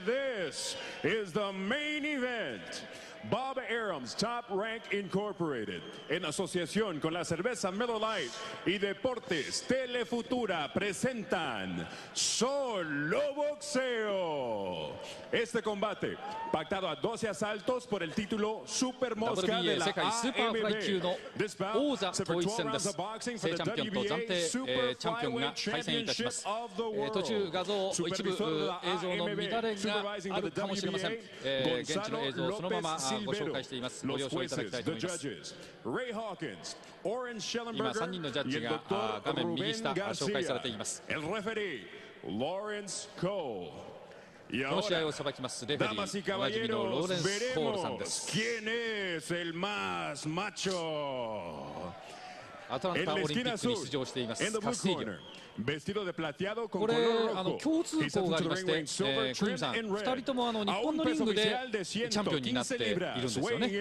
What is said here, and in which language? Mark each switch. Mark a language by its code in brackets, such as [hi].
[en] This is the main event. [es] Bob Arum's Top Rank Incorporated, en asociación con la cerveza Miller Lite y Deportes Telefutura, presentan Solo Boxeo. Este combate, pactado a 12 asaltos por el título Super Mosca de la AMB. [en] This bout is for 4 rounds of boxing for the WBA Super Flyweight Championship of the World. [es] Supervisor de la AMB, [en] supervising by the WBA, [es] Gonzalo López Silva. Los jueces, [en] the judges, [es] Ray Hawkins, Orange Schellenberger, y el doctor Rubén García. El referee, Lawrence Cole. Y ahora, damas y caballeros, veremos quién es el más macho. En la esquina azul, en el [en] blue corner. [es] Vestido de plateado con color rojo. [ja] 共通項がありまして、クリムさん、2人とも日本のリングでチャンピオンになっているんですよね。